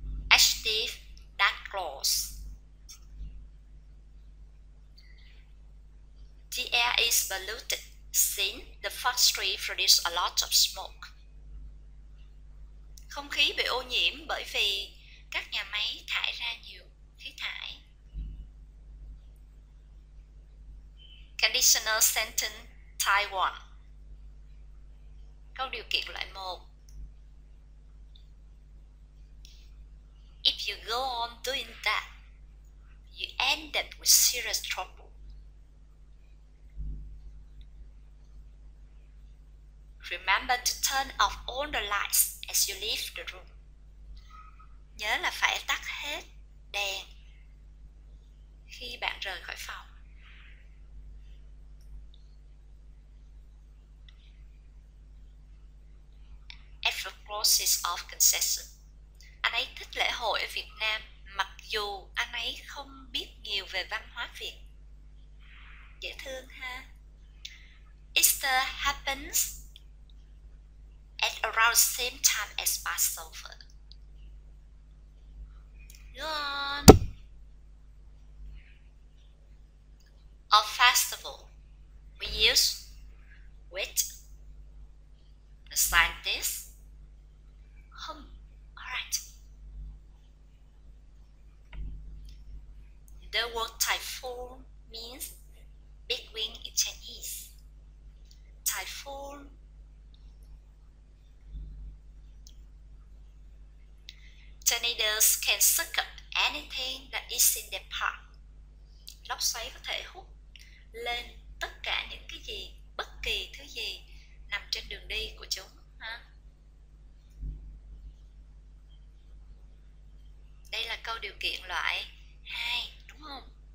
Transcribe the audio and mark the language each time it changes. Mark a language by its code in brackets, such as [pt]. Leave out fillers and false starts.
[en] Adjective that clause. The air is polluted since the factory produced a lot of smoke. [vi] Không khí bị ô nhiễm bởi vì các nhà máy thải ra nhiều khí thải. [en] Conditional sentence type 1. [vi] Câu điều kiện loại 1. [en] If you go on doing that, you end up with serious trouble. Remember to turn off all the lights as you leave the room. [vi] Nhớ là phải tắt hết đèn khi bạn rời khỏi phòng. Adverb clauses of concession. Anh ấy thích lễ hội ở Việt Nam mặc dù anh ấy không biết nhiều về văn hóa Việt. Dễ thương ha. [en] Easter happens at around the same time as Passover. Go on. A festival. We use which? The scientist. Alright. The word typhoon means big wind in Chinese. Typhoon. Tornadoes can suck up anything that is in their path. [vi] Lốc xoáy có thể hút lên tất cả những cái gì, bất kỳ thứ gì nằm trên đường đi của chúng. Ha? Đây là câu điều kiện loại 2, đúng không?